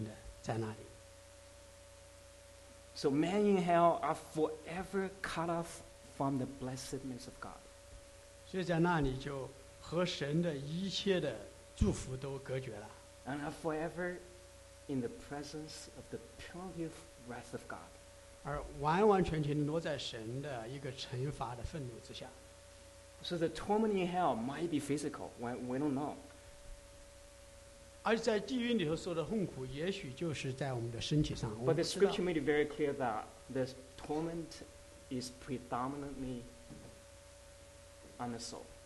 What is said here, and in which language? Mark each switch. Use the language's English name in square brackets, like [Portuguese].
[Chinese] 但是地狱里头一定有一个愤怒的、让公义审判的神的在那里。So [English] men in hell are forever cut off from the blessedness of God. [Chinese] 所以在那里就和神的一切的祝福都隔绝了。And [English] are forever in the presence of the punitive wrath of God. [Chinese] 而完完全全落在神的一个惩罚的愤怒之下。 [English] So the torment in hell might be physical. We don't know. [Chinese] 而在地狱里头受的痛苦，也许就是在我们的身体上。 [English] But the scripture made it very clear that this torment is predominantly on the soul.